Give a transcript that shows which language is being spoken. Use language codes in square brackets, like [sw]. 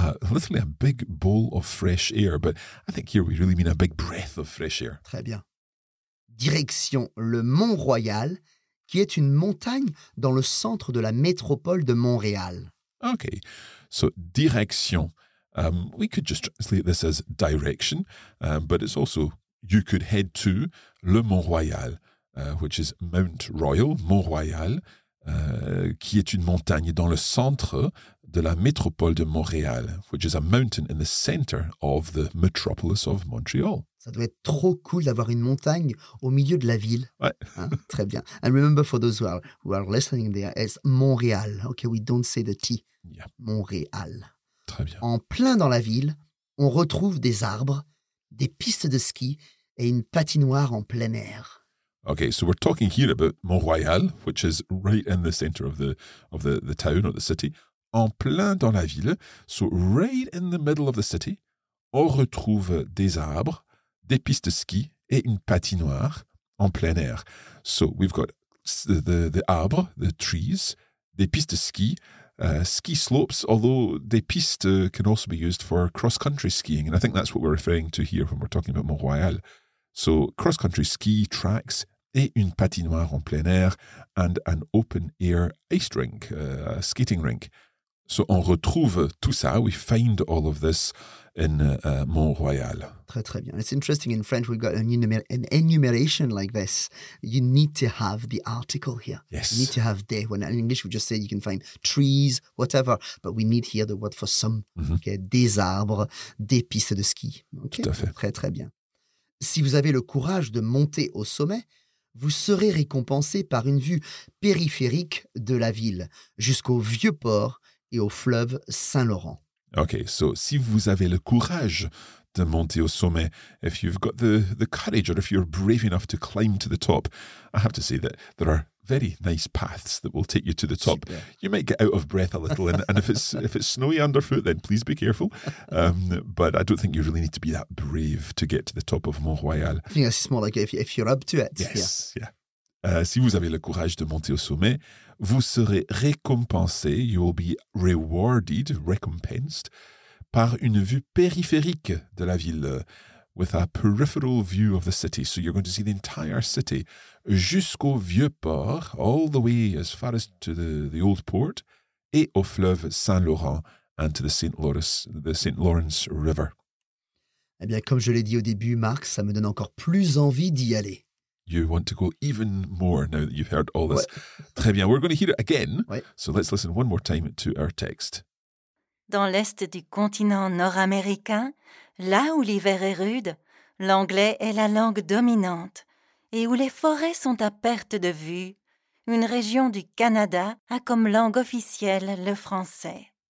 [en] Literally a big bowl of fresh air, but I think here we really mean a big breath of fresh air. [fr] Très bien. Direction le Mont Royal, qui est une montagne dans le centre de la métropole de Montréal. [en] Okay, so direction. We could just translate this as direction, but it's also you could head to le Mont Royal, which is Mount Royal, Mont Royal, [fr] qui est une montagne dans le centre de la métropole de Montréal, [en] which is a mountain in the center of the metropolis of Montreal. [fr] Ça doit être trop cool d'avoir une montagne au milieu de la ville. Ouais. Hein? Très bien. [en] And remember for those who are listening there, it's Montréal. Okay, we don't say the T. Yeah. [fr] Montréal. Très bien. En plein dans la ville, on retrouve des arbres, des pistes de ski et une patinoire en plein air. [en] Okay, so we're talking here about Mont-Royal, which is right in the center of the town or the city. [fr] En plein dans la ville, [en] so right in the middle of the city, [fr] on retrouve des arbres, des pistes de ski et une patinoire en plein air. [en] So we've got the arbres, the trees, [fr] des pistes de ski, [en] ski slopes, although des pistes can also be used for cross-country skiing. And I think that's what we're referring to here when we're talking about Mont-Royal. So cross-country ski tracks [fr] et une patinoire en plein air [en] and an open-air ice rink, a skating rink. So [fr] on retrouve tout ça, [en] we find all of this in Mont-Royal. [fr] Très, très bien. [en] It's interesting in French we've got an enumeration like this. You need to have the article here. Yes. You need to have des. When in English we just say you can find trees, whatever, but we need here the word for some. [fr] Mm-hmm. Okay. Des arbres, des pistes de ski. Okay. Tout à fait. Très, très bien. Si vous avez le courage de monter au sommet, vous serez récompensé par une vue périphérique de la ville jusqu'au vieux port et au fleuve Saint-Laurent. [en] Okay, so [fr] si vous avez le courage de monter au sommet, [en] if you've got the courage or if you're brave enough to climb to the top, I have to say that there are very nice paths that will take you to the top. Super. You might get out of breath a little, and if it's snowy underfoot, then please be careful. But I don't think you really need to be that brave to get to the top of Mont Royal. I think it's more like if you're up to it. Yes, yeah. [fr] Si vous avez le courage de monter au sommet, vous serez récompensé, [en] you will be rewarded, recompensed, [fr] par une vue périphérique de la ville, [en] with a peripheral view of the city. So you're going to see the entire city [fr] jusqu'au vieux port, [en] all the way as far as to the old port, [fr] et au fleuve Saint-Laurent [en] and to the St. Lawrence River. [fr] Eh bien, comme je l'ai dit au début, Marc, ça me donne encore plus envie d'y aller. [en] You want to go even more now that you've heard all this. [fr] Ouais. Très bien, [en] we're going to hear it again. [fr] Ouais. [en] So let's listen one more time to our text. [fr] Dans l'est du continent nord-américain, là où l'hiver est rude, l'anglais est la langue dominante et où les forêts sont à perte de vue, une région du Canada a comme langue officielle le français.